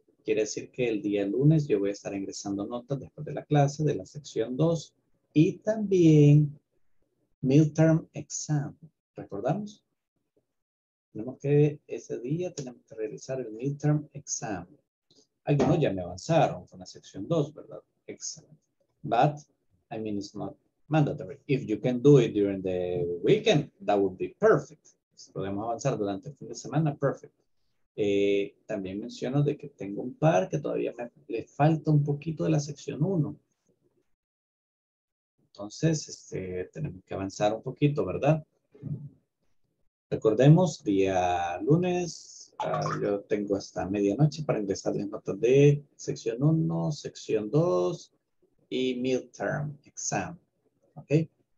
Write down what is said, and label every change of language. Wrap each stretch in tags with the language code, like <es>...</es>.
<es>Quiere decir que el día lunes yo voy a estar ingresando notas después de la clase de la sección 2 y también midterm exam. ¿Recordamos? Tenemos que ese día tenemos que realizar el midterm exam. Algunos ya me avanzaron con la sección 2, ¿verdad?</es> <en>Excellent. But, I mean, it's not mandatory. If you can do it during the weekend, that would be perfect.</en> <es>Si podemos avanzar durante el fin de semana, perfect. También menciono de que tengo un par que todavía le falta un poquito de la sección 1. Entonces, tenemos que avanzar un poquito, ¿verdad? Recordemos, día lunes... yo tengo hasta medianoche para ingresar las notas de sección 1, sección 2 y midterm exam. ¿Ok?</es>